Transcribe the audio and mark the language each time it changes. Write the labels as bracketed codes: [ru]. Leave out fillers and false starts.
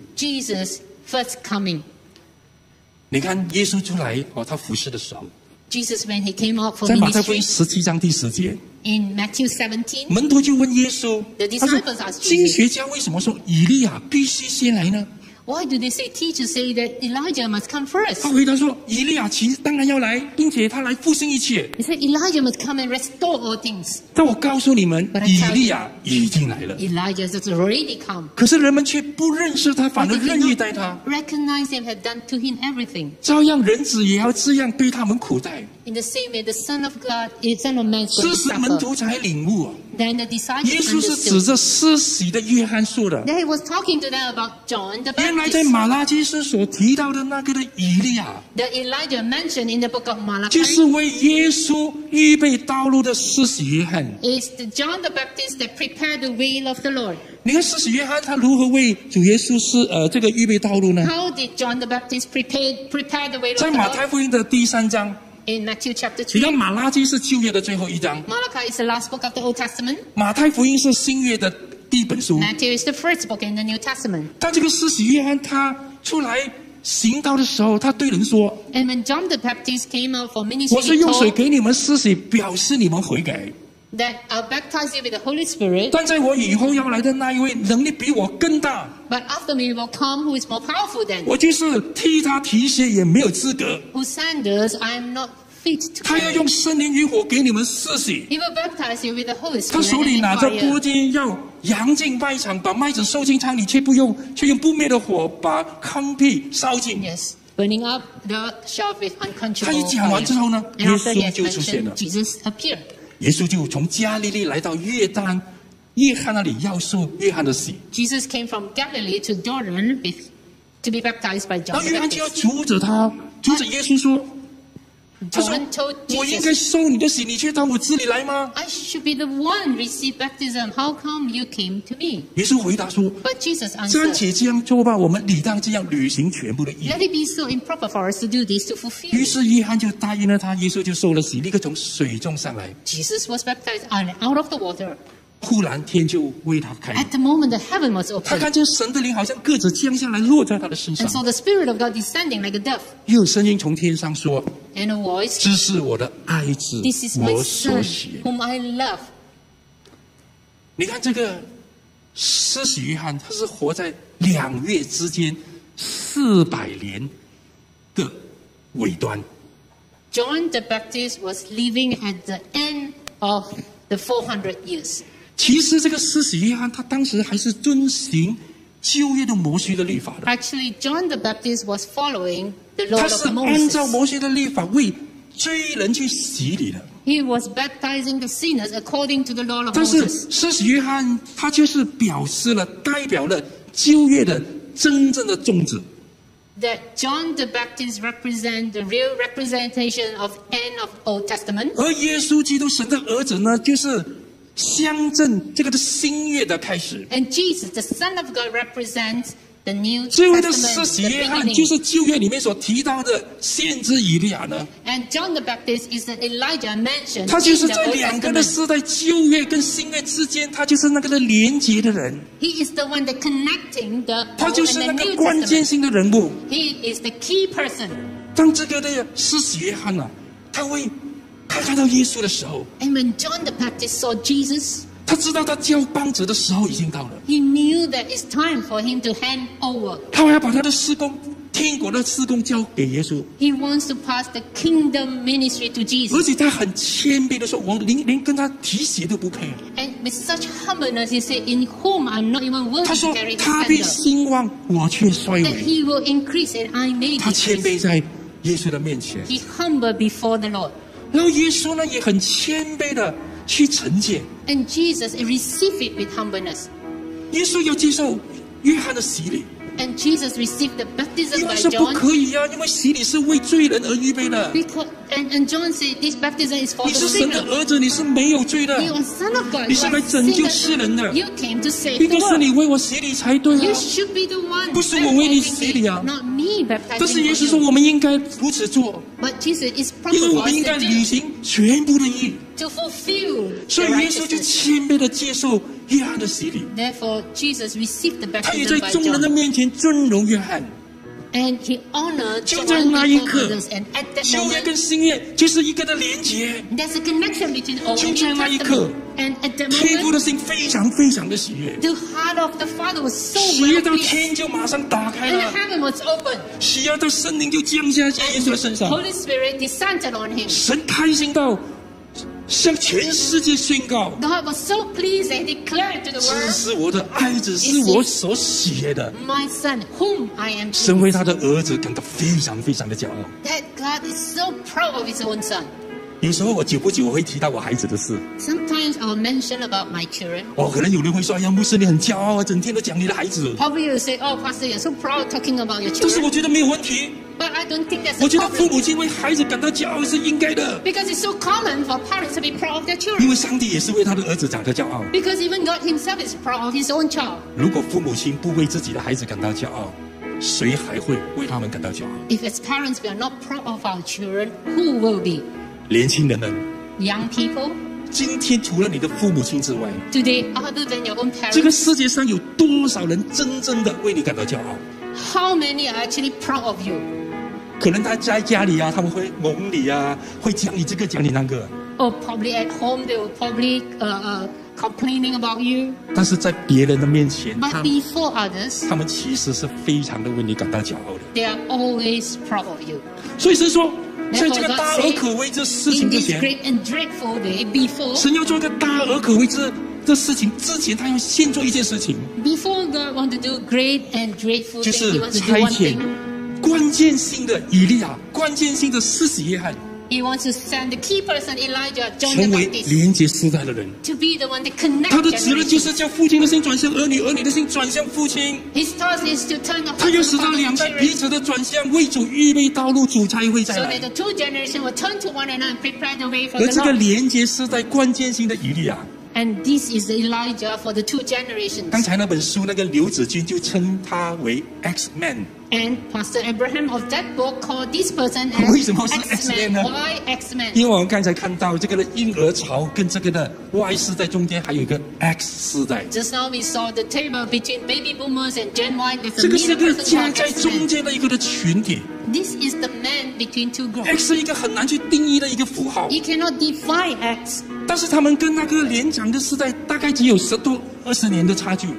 [en] Jesus first coming. [zh] 你看耶稣出来哦，他服侍的时候。 [en] Jesus when he came out for ministry. [zh] 在马太福音17:10。 [en] In Matthew 17. [zh] 门徒就问耶稣。 [en] The disciples asked Jesus. [zh] 经学家为什么说以利亚必须先来呢 [en] ？Why do they say teachers say that Elijah must come first? [zh] 他回答说，以利亚其实当然要来，并且他来复兴一切。 [en] He said Elijah must come and restore all things. [zh] 但我告诉你们，以利亚已经来了。 [en] Elijah has already come. [zh] 可是人们却不认识他，反而任意待他。 [en] Recognize him, have done to him everything. [zh] 照样人子也要这样对他们苦待。 [en] In the same way, the Son of God, the Son of Man, [zh] 是使门徒才领悟啊。 [en] Then the disciples. [zh] 耶稣是指着施洗的约翰说的。 [en] Then he was talking to them about John the Baptist. [zh] 原来在马拉基书所提到的那个的以利亚。 [en] The Elijah mentioned in the book of Malachi. [zh] 就是为耶稣预备道路的施洗约翰。 [en] Is the John the Baptist that prepared the way of the Lord? [zh] 你看施洗约翰他如何为主耶稣是这个预备道路呢 [en] ？How did John the Baptist prepare the way of the Lord? [zh] 在马太福音的第三章。 [en] In Matthew chapter 3. [zh] 你看马拉基是旧约的最后一章。 [en] Malachi is the last book of the Old Testament. [zh] 马太福音是新约的第一本书。 [en] Matthew is the first book in the New Testament. [zh] 但这个施洗约翰他出来行道的时候，他对人说 [en] ：“And when John the Baptist came out for ministry, [zh] 我是用水给你们施洗，表示你们悔改。” [en] That I'll baptize you with the Holy Spirit. [zh] 但在我以后要来的那一位，能力比我更大。 [en] But after me will come who is more powerful than. [zh] 我就是替他提鞋，也没有资格。 [en] Whose sandals I am not fit to. [zh] 他要用圣灵与火给你们施洗。 [en] He will baptize you with the Holy Spirit. [zh] 他手里拿着钵金要扬进麦场，把麦子收进仓里，却不用，却用不灭的火把糠秕烧尽。 [en] Yes, burning up the chaff with uncontrollable fire. [zh] 他一讲完之后呢，耶稣就出现了。 [en] Jesus appeared. [zh] 耶稣就从加利利来到约旦，约翰那里要受约翰的洗。 [en] Jesus came from Galilee to Jordan to be baptized by John. [zh] 那约翰就要阻止他，阻止耶稣说：“ [en] John told Jesus, [zh] 我应该受你的洗，你却到我这里来吗 [en] ？”I should be the one receive baptism. How come you came to me? [zh] 耶稣回答说 [en] ：“But Jesus answered, [zh] 暂且这样做吧，我们理当这样履行全部的义务。 [en] Let it be so improper for us to do this to fulfill. [zh] 于是约翰就答应了他，耶稣就受了洗，立刻从水中上来。 [en] Jesus was baptized on out of the water. [zh] 忽然天就为他开了。 [en] At the moment, the heaven was open. [zh] 他看见神的灵好像个子降下来，落在他的身上。 [en] And so the spirit of God descending like a dove. [zh] 又有声音从天上说 [en] ，And a voice. [zh] 这是我的爱子，我所喜悦。 [en] Whom I love. [zh] 你看这个施洗约翰，他是活在两月之间400年的尾端。 [en] John the Baptist was living at the end of the 400 years. [zh] 其实这个施洗约翰他当时还是遵循旧约的摩西的律法的。 [en] Actually, John the Baptist was following the law of Moses. [zh] 他是按照摩西的律法为罪人去洗礼的。 [en] He was baptizing the sinners according to the law of Moses. [zh] 但是施洗约翰他就是表示了代表了旧约的真正的宗旨。 [en] That John the Baptist represent the real representation of end of Old Testament. [zh] 而耶稣基督神的儿子呢，就是。乡镇这个是新月的开始。 [en] And Jesus, the Son of God, represents the New Testament. [zh] 这位的施洗约翰就是旧约里面所提到的先知以利亚呢。 [en] And John the Baptist is the Elijah mentioned. [zh] 他就是在两个的时代，旧约跟新约之间，他就是那个的连接的人。 [en] He is the one that connecting the Old and the New. [zh] 他就是那个关键性的人物。 [en] He is the key person. [zh] 当这个的施洗约翰呢、啊，他为他看到耶稣的时候 [en] ，And when John the Baptist saw Jesus， [zh] 他知道他交棒子的时候已经到了。 [en] He knew that it's time for him to hand over。 [zh] 他要把他的事工，天国的事工交给耶稣。 [en] He wants to pass the kingdom ministry to Jesus。 [zh] 而且他很谦卑的说：“我连跟他提鞋都不配。 [en] ”And with such humbleness, he said, "In whom I'm not even worthy to carry the sandal." [zh] 他说：“他必兴旺，我却衰微。 [en] ”That he will increase and I may decrease。 [zh] 他谦卑在耶稣的面前。 [en] He humbled before the Lord。 [zh] 然后耶稣呢也很谦卑的去承接 [en] ，and Jesus received it with humbleness。 [zh] 耶稣要接受约翰的洗礼 [en] ，and Jesus received the baptism by John。 [zh] 因为是不可以啊，因为洗礼是为罪人而预备的。 [en] Because and John said this baptism is for the sinner。 [zh] 你是神的儿子，你是没有罪的。 [en] You are son of God。 [zh] 你是来拯救世人的。 [en] You came to save the world。 [zh] 应该是你为我洗礼才对啊。 [en] You should be the one。 [zh] 不是我为你洗礼啊。 [en] Not me baptizing。 [zh] 但是耶稣说我们应该如此做。 [en] But Jesus is proper. [zh] 因为我们应该履行全部的义。 [en] To fulfill. [zh] 所以耶稣就谦卑地接受约翰的洗礼。 [en] Therefore, Jesus received the baptism by John. [zh] 他也在众人的面前尊荣约翰。 [en] And he honored. [zh] 就在那一刻，旧约跟新约就是一个的连接。 [en] There's a connection between Old and New Testament. [zh] 就在那一刻。 [en] And at the moment, [zh] 天父的心非常非常的喜悦。 [en] The heart of the Father was so happy. [zh] 喜悦到天就马上打开了。 [en] And heaven was open. [zh] 喜悦到圣灵就降下在耶稣的身上。 [en] Holy Spirit descended on him. [zh] 神开心到向全世界宣告。 [en] God was so pleased and declared to the world. [zh] 这是我的爱子，是我所喜悦的。 [en] My son, whom I am. [zh] 身为他的儿子，感到非常非常的骄傲。 [en] That God is so proud of his own son. [zh] 有时候我久不久我会提到我孩子的事。 [en] Sometimes I'll mention about my children. [zh] 哦，可能有人会说：“哎呀，牧师你很骄傲啊，整天都讲你的孩子。 [en] ”Probably you say, "Oh, Pastor, you're so proud talking about your children." [zh] 但是我觉得没有问题。 [en] But I don't think that's a [zh] 我觉得父母亲为孩子感到骄傲是应该的。 [en] Because it's so common for parents to be proud of their children. [zh] 因为上帝也是为他的儿子感到骄傲。 [en] Because even God Himself is proud of His own child. [zh] 如果父母亲不为自己的孩子感到骄傲，谁还会为他们感到骄傲 [en] ？If as parents we are not proud of our children, who will be? [zh] 年轻人们 [en] ，Young people， [zh] 今天除了你的父母亲之外 [en] ，Today other than your own parents， [zh] 这个世界上有多少人真正的为你感到骄傲 [en] ？How many are actually proud of you？ [zh] 可能他在家里啊，他们会哄你啊，会讲你这个讲你那个。 [en] Or probably at home they will probably complaining about you。 [zh] 但是在别人的面前 [en] ，But before others， [zh] 他们其实是非常的为你感到骄傲的。 [en] They are always proud of you。 [zh] 所以神说。在这个大而可畏这事情之前 [en] before, [zh] 神要做一个大而可畏 这事情之前他要先做一件事情 [en] before God want to do great and dreadful thing, [zh] 就是差遣关键性的以利亚关键性的施洗约翰 [en] He wants to send the key person Elijah John the Baptist [zh] 成为连接世代的人 [en] to be the one to connect [zh] 他的责任就是叫父亲的心转向儿女儿女的心转向父亲 [en] His task is to turn [zh] 他要使他两代彼此的转向为主预备道路主才会再来 [en] So that the two generations will turn to one another and prepare the way for the Lord [zh] 而这个连接世代关键性的以利亚 [en] And this is Elijah for the two generations [zh] 刚才那本书那个刘子君就称他为 X-Man [en] And Pastor Abraham of that book called this person as X-Man [zh] 为什么是 X-Man 呢 [en] Why X-Man [zh] 因为我们刚才看到这个的婴儿潮跟这个的 Y 世代中间还有一个 X 世代 [en] Just now we saw the table between baby boomers and Gen Y [zh] 这个是一个夹在中间的一个的群体 [en] This is the man between two groups [zh] X 是一个很难去定义的一个符号 [en] You cannot define X [zh] 但是他们跟那个年长的世代大概只有十多二十年的差距